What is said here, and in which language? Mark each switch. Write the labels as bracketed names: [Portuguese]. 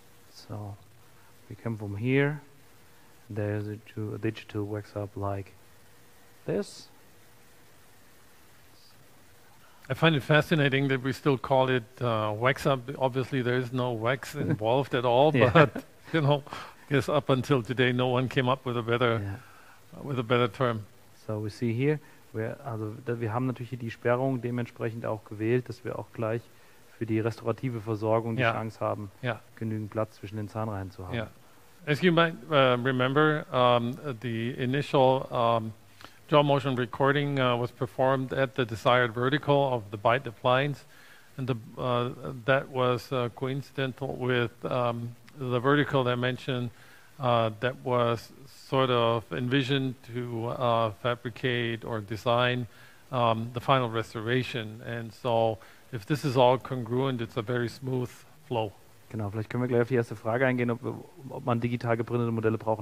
[English] So we come from here, there's a digital wax up like this. I find it fascinating that we still call it wax up. Obviously, there is no wax involved at all, yeah. But you know. Yes, up until today, no one came up with a better, with a better term. So we see here, [German] wir haben natürlich die Sperrung dementsprechend auch gewählt, dass wir auch gleich für die restaurative Versorgung die Chance haben, genügend Platz zwischen den Zahnreihen zu haben. [English] Yeah. As you might remember, the initial jaw motion recording was performed at the desired vertical of the bite appliance, and the, that was coincidental with. The vertical dimension that was sort of envisioned to fabricate or design the final restoration. And so if this is all congruent, it's a very smooth flow. [German] Genau, vielleicht können wir gleich auf die erste Frage eingehen, ob man digital geprintete Modelle braucht.